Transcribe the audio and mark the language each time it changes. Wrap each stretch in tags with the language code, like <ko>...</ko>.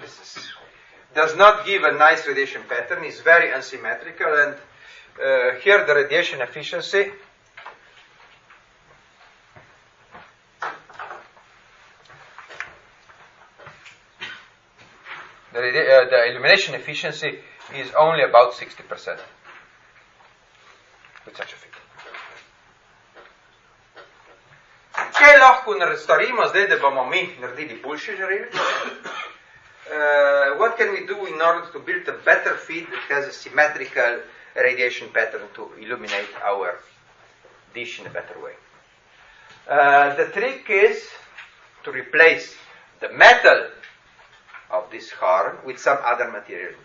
<en>This is, does not give a nice radiation pattern, it's very asymmetrical, and here the radiation efficiency the illumination efficiency is only about 60% with such a field.</en> <sl>Kaj lahko naredimo zdaj, da bomo mi naredili boljše žarevice?</sl> <en>What can we do in order to build a better feed that has a symmetrical radiation pattern to illuminate our dish in a better way? The trick is to replace the metal of this horn with some other material.</en>